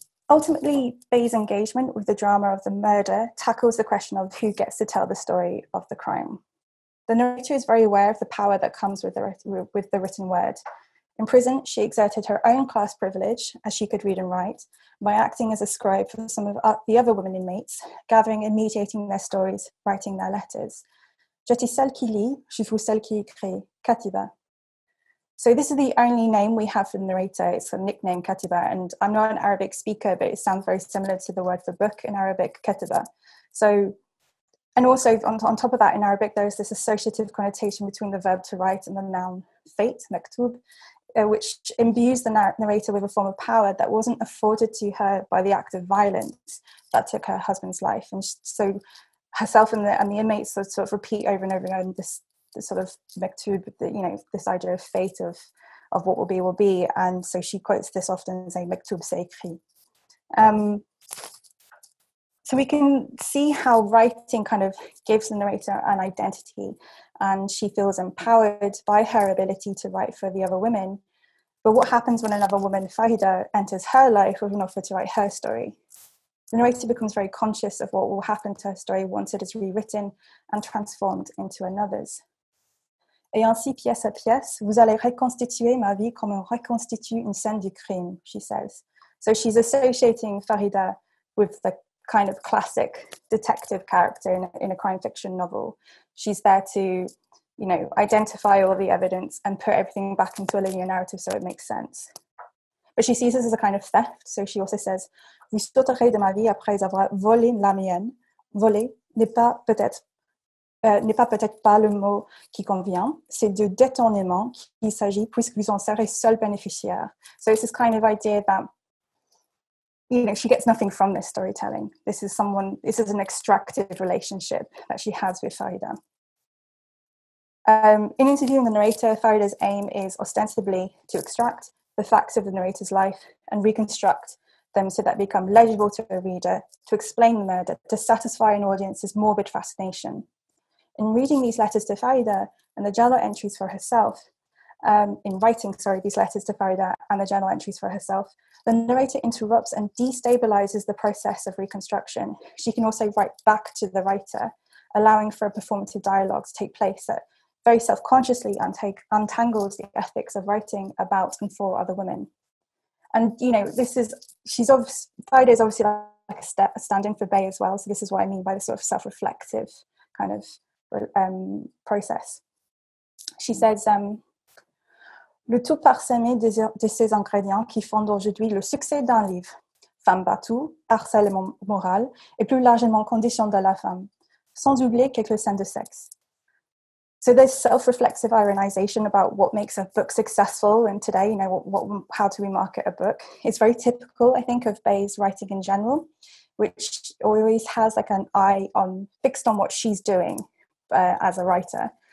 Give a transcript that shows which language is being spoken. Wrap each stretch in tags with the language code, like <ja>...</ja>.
<en>Ultimately, Bay's engagement with the drama of the murder tackles the question of who gets to tell the story of the crime. The narrator is very aware of the power that comes with the written word. In prison, she exerted her own class privilege, as she could read and write, by acting as a scribe for some of the other women inmates, gathering and mediating their stories, writing their letters.</en> <fr>Je suis celle qui lit, je suis celle qui écrit, Katiba.</fr> <en>So this is the only name we have for the narrator. It's a nickname, Katiba, and I'm not an Arabic speaker, but it sounds very similar to the word for book in Arabic, Katiba. So, and also on top of that, in Arabic, there is this associative connotation between the verb to write and the noun fate, maktub, which imbues the narrator with a form of power that wasn't afforded to her by the act of violence that took her husband's life. And so herself and the inmates sort of repeat over and over again this sort of maktub, you know, this idea of fate of what will be. And so she quotes this often, saying maktub</en> <fr>c'est écrit.</fr> <en>So we can see how writing kind of gives the narrator an identity, and she feels empowered by her ability to write for the other women. But what happens when another woman, Fahida, enters her life with an offer to write her story? The narrator becomes very conscious of what will happen to her story once it is rewritten and transformed into another's.</en> <fr>Et ainsi, pièce à pièce, vous allez reconstituer ma vie comme on reconstitue une scène du crime,</fr> <en>she says. So she's associating Fahida with the kind of classic detective character in a crime fiction novel. She's there to, you know, identify all the evidence and put everything back into a linear narrative so it makes sense. But she sees this as a kind of theft, so she also says,</en> <fr>vous sauterez de ma vie après avoir volé la mienne. Voler n'est pas peut-être pas le mot qui convient. C'est de détournement qu'il s'agit puisque vous en serez seul bénéficiaire.</fr> <en>So it's this kind of idea that, you know, she gets nothing from this storytelling. This is an extractive relationship that she has with Farida. In interviewing the narrator, Farida's aim is ostensibly to extract the facts of the narrator's life and reconstruct them so that become legible to a reader, to explain the murder, to satisfy an audience's morbid fascination. In reading these letters to Farida and the journal entries for herself, the narrator interrupts and destabilizes the process of reconstruction. She can also write back to the writer, allowing for a performative dialogue to take place that very self-consciously untangles the ethics of writing about and for other women. And, you know, Farida is obviously like a stand-in for Bay as well, so this is what I mean by the sort of self-reflective kind of process. She says,</en> <fr>le tout parsemé de ces ingrédients qui font aujourd'hui le succès d'un livre. Femme battue, harcèlement moral et plus largement condition de la femme, sans oublier quelques scènes de sexe.</fr> <en>So there's self-reflexive ironization about what makes a book successful and today, you know, how do we market a book? It's very typical, I think, of Bay's writing in general, which always has like an eye on, fixed on what she's doing as a writer.</en>